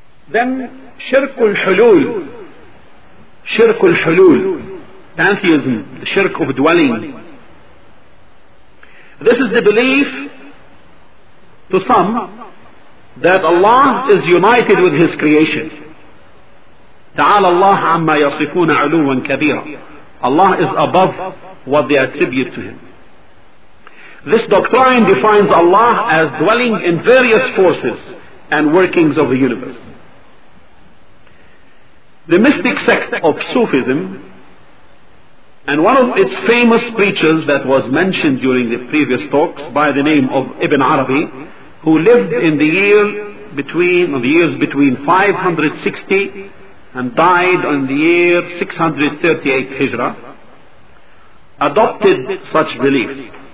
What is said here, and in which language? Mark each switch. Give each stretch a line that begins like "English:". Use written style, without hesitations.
English: Then شرك الحلول, شرك الحلول, pantheism, the shirk of dwelling. This is the belief to some that Allah is united with His creation.
Arabic: تعالى الله عما يصفون علوا كبيرا.
English: Allah is above what they attribute to Him. This doctrine defines Allah as dwelling in various forces and workings of the universe. The mystic sect of Sufism, and one of its famous preachers that was mentioned during the previous talks by the name of Ibn Arabi, who lived in the year between 560 and died in the year 638 Hijra, adopted such beliefs.